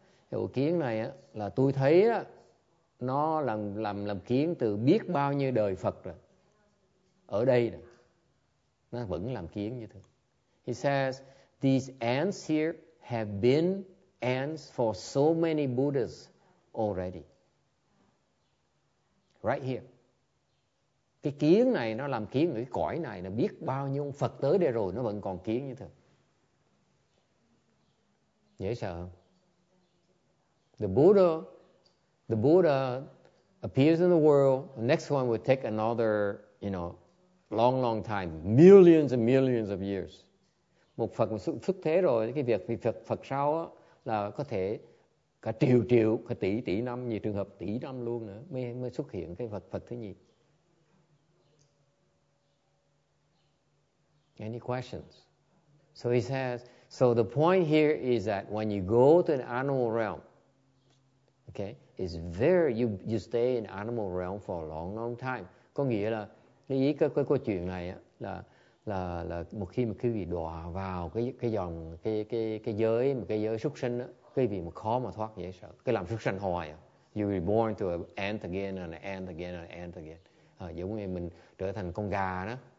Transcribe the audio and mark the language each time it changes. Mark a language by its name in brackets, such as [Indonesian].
[Vietnamese] Cái ổ kiến này á là tôi thấy á nó làm kiến từ biết bao nhiêu đời Phật rồi. Ở đây rồi. Nó vẫn làm kiến như thường. [English] He says these ants here have been ants for so many Buddhas already. Right here. [Vietnamese] Cái kiến này nó làm kiến ở cái cõi này là biết bao nhiêu ông Phật tới đây rồi nó vẫn còn kiến như thường. Dễ sợ không? [English] The Buddha appears in the world. The next one will take another, you know, long, long time. Millions and millions of years. [Vietnamese] Một Phật xuất thế rồi, cái việc Phật sau là có thể cả triệu triệu, cả tỷ tỷ năm, nhiều trường hợp tỷ năm luôn nữa mới xuất hiện cái Phật thứ nhì. [English] Any questions? So he says, so the point here is that when you go to the animal realm, okay, it's very, you stay in animal realm for a long, long time. [Vietnamese] Có nghĩa là, lý ý cái câu chuyện này á, là một khi mà quý vị đọa vào cái giới, một cái giới súc sinh á, quý vị mà khó mà thoát dễ sợ. Cái làm súc sinh hoài á. [English] You will be born to an ant again and an ant again and an ant again. [Vietnamese] Giống như mình trở thành con gà đó.